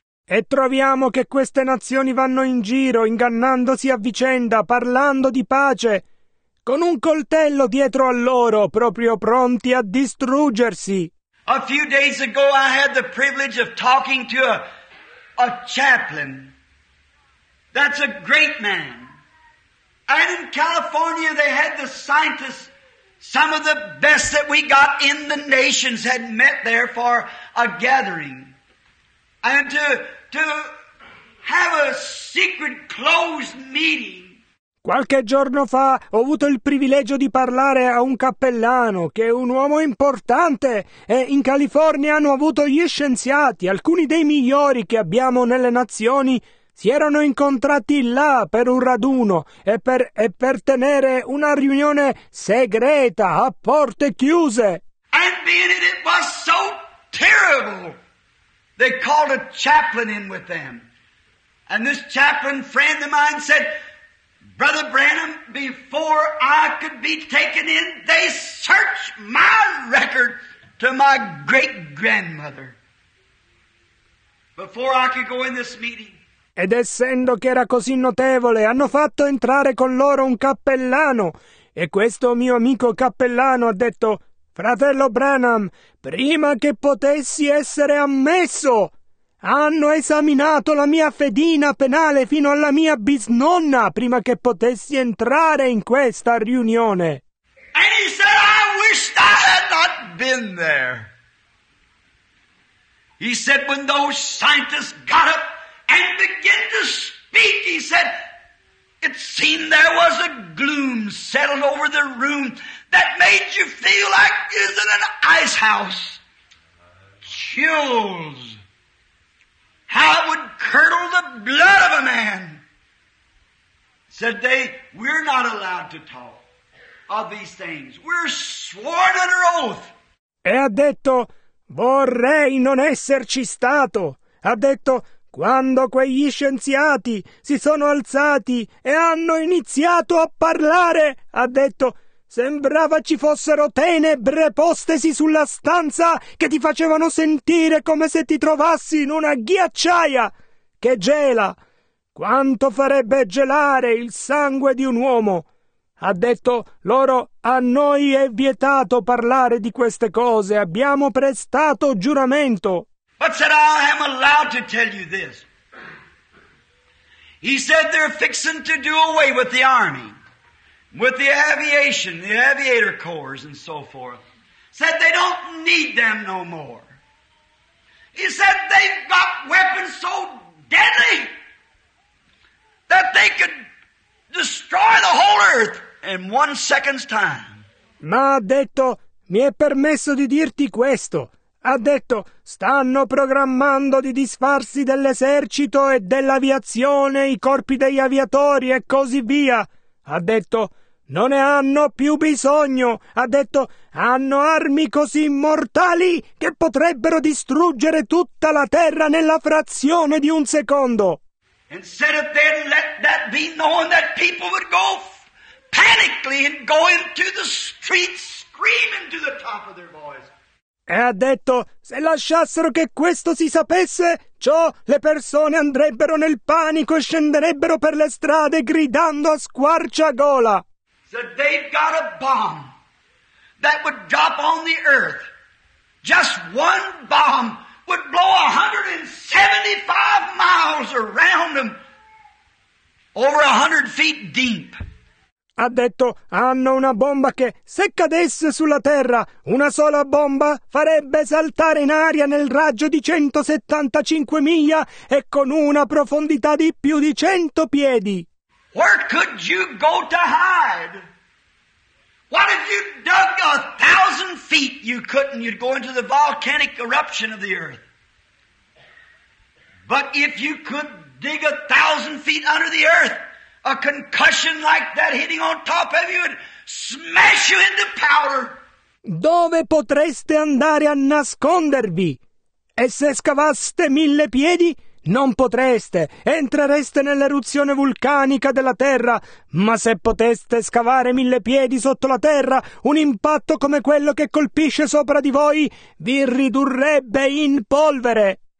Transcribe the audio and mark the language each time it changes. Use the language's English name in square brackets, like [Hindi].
[Italian] E troviamo che queste nazioni vanno in giro, ingannandosi a vicenda, parlando di pace, con un coltello dietro a loro, proprio pronti a distruggersi. [English] A few days ago I had the privilege of talking to a chaplain. That's a great man. And in California they had the scientists, some of the best that we got in the nations had met there for a gathering. And to have a secret closed meeting. [Italian] Qualche giorno fa ho avuto il privilegio di parlare a un cappellano, che è un uomo importante, e in California hanno avuto gli scienziati, alcuni dei migliori che abbiamo nelle nazioni, si erano incontrati là per un raduno e per tenere una riunione segreta a porte chiuse. [English] And being it was so terrible, they called a chaplain in with them. And this chaplain friend of mine said, Brother Branham, before I could be taken in, they searched my record to my great-grandmother. before I could go in this meeting. [Italian] Ed essendo che era così notevole, hanno fatto entrare con loro un cappellano. E questo mio amico cappellano ha detto: fratello Branham, prima che potessi essere ammesso, hanno esaminato la mia fedina penale fino alla mia bisnonna prima che potessi entrare in questa riunione. [English] And he said, I wished I had not been there. He said, when those scientists got up and began to speak, he said, it seemed there was a gloom settled over the room that made you feel like you're in an ice house. Chills. How it would curdle the blood of a man. Said they, we're not allowed to talk of these things. We're sworn under oath. [Italian] E ha detto, vorrei non esserci stato. Ha detto, quando quegli scienziati si sono alzati e hanno iniziato a parlare, ha detto, sembrava ci fossero tenebre postesi sulla stanza che ti facevano sentire come se ti trovassi in una ghiacciaia che gela. Quanto farebbe gelare il sangue di un uomo? Ha detto, loro, a noi è vietato parlare di queste cose, abbiamo prestato giuramento. [English] But said, I am allowed to tell you this. He said, they're fixing to do away with the army, with the aviation, the aviator corps and so forth. Said, they don't need them no more. He said, they've got weapons so deadly that they could destroy the whole earth in 1 second's time. [Italian] Ma ha detto, mi è permesso di dirti questo. Ha detto, stanno programmando di disfarsi dell'esercito e dell'aviazione, i corpi degli aviatori e così via. Ha detto, non ne hanno più bisogno. Ha detto, hanno armi così mortali che potrebbero distruggere tutta la terra nella frazione di un secondo. [English] Instead of then let that be known that people would go panically and go into the streets screaming to the top of their voice. [Italian] E ha detto, se lasciassero che questo si sapesse, ciò le persone andrebbero nel panico e scenderebbero per le strade gridando a squarciagola. [English] So they've got a bomb that would drop on the earth. Just one bomb would blow 175 miles around them, over 100 feet deep. [Italian] Ha detto, hanno una bomba che, se cadesse sulla terra, una sola bomba farebbe saltare in aria nel raggio di 175 miglia e con una profondità di più di 100 piedi. [English] Where could you go to hide? What if you dug 1,000 feet? You couldn't. You'd go into the volcanic eruption of the earth. But if you could dig 1,000 feet under the earth, a concussion like that hitting on top of you would smash you into powder. [Italian] Dove potreste andare a nascondervi? E se scavaste 1,000 piedi, non potreste. Entrereste nell'eruzione vulcanica della terra. Ma se poteste scavare 1,000 piedi sotto la terra, un impatto come quello che colpisce sopra di voi vi ridurrebbe in polvere.